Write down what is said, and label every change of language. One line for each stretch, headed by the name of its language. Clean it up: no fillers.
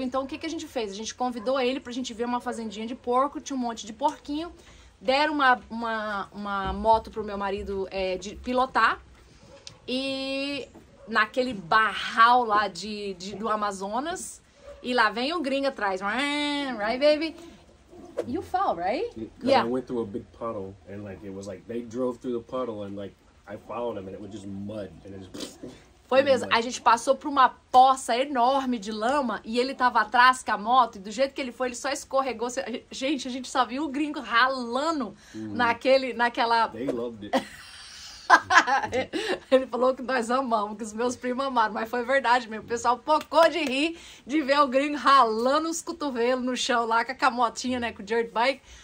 Portuguese: Então, o que a gente fez? A gente convidou ele pra gente ver uma fazendinha de porco, tinha um monte de porquinho, deram uma moto pro meu marido de pilotar, e naquele barral lá do Amazonas. E lá vem o gringo atrás,
English: right, baby? You fell, right? Yeah. I went through a big puddle, and like it was like they drove through the puddle, and like I found him and it was just mud. And it just...
Portuguese: Foi mesmo. A gente passou por uma poça enorme de lama e ele tava atrás com a moto. E do jeito que ele foi, ele só escorregou. Gente, a gente só viu o gringo ralando naquela...
English: They loved it.
Portuguese: Ele falou que nós amamos, que os meus primos amaram. Mas foi verdade mesmo. O pessoal pocou de rir de ver o gringo ralando os cotovelos no chão lá com a motinha, né? Com o dirt bike.